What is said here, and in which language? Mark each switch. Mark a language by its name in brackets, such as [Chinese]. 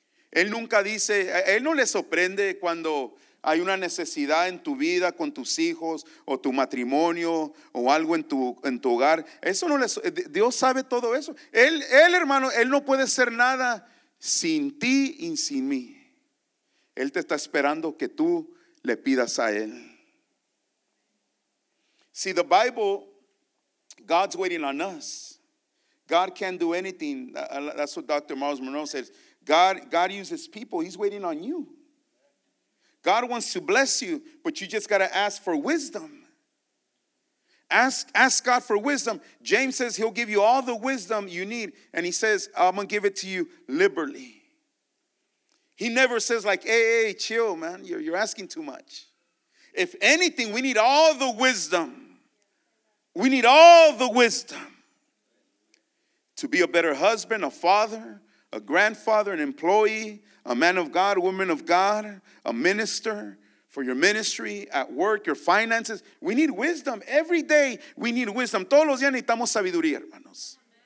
[Spanish] Él nunca dice, Él no le sorprende cuando Hay una necesidad en tu vida con tus hijos o tu matrimonio o algo en tu hogar. Eso no les, Dios sabe todo eso. Él, hermano, Él no puede ser nada sin ti y sin mí. Él te está esperando que tú le pidas a Él. [English] See, the Bible, God's waiting on us. God can't do anything. That's what Dr. Miles Monroe says. God uses people. He's waiting on you. God wants to bless you, but you just got to ask for wisdom. Ask God for wisdom. James says He'll give you all the wisdom you need. And He says, I'm going to give it to you liberally. He never says like, hey, chill, man. You're asking too much. If anything, we need all the wisdom. We need all the wisdom to be a better husband, a father, a grandfather, an employee, a man of God, a woman of God, a minister for your ministry, at work, your finances. We need wisdom. Every day we need wisdom. [Spanish] Todos los días necesitamos sabiduría, hermanos.